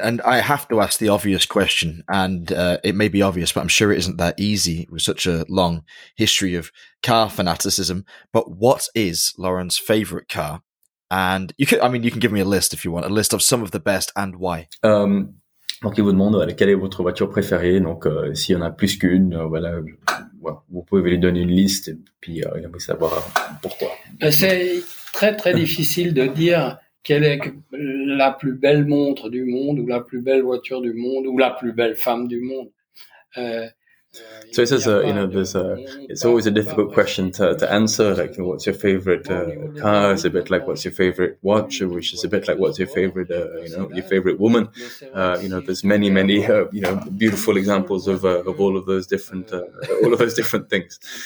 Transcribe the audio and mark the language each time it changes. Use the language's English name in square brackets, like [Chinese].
[English] And I have to ask the obvious question, and it may be obvious, but I'm sure it isn't that easy with such a long history of car fanaticism. But what is Laurent's favorite car? And you can give me a list if you want, a list of some of the best and why. [French] Donc il vous demande, voilà, quelle est votre voiture préférée. Donc s'il y en a plus qu'une, voilà, vous pouvez lui donner une liste, et puis il aimerait savoir pourquoi. C'est très très difficile de dire quelle est la plus belle montre du monde, ou la plus belle voiture du monde, ou la plus belle femme du monde. [English] So it says, you know, it's always a difficult question to answer. Like, you know, what's your favorite car? It's a bit like, what's your favorite watch? Which is a bit like, what's your favorite, you know, your favorite woman? You know, there's many, many, you know, beautiful examples of all of those different, all of those different things.